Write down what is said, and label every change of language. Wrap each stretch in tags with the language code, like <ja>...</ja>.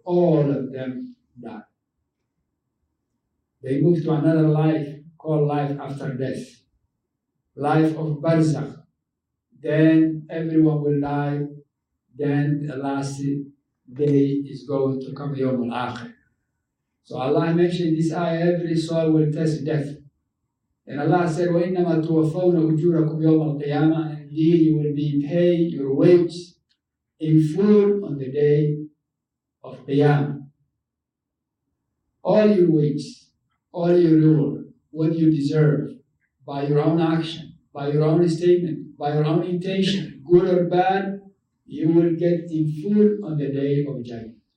<en>All of them died. They move to another life called life after death, life of barzakh. Then everyone will die. Then the last day is going to come, Yawm al-Akhir. So Allah mentioned this ayah, every soul will taste death. And Allah said,</en> <ar>وَإِنَّمَا تُوَفَّوْنَ أُجُورَكُمْ يَوْمَ الْقِيَامَةِ.</ar> <en>Indeed, you will be paid your wages in full on the day of Qiyamah. All your wages, all your reward, what you deserve by your own action, by your own statement, by your own intention, good or bad, you will get in full on the day of judgment.</en>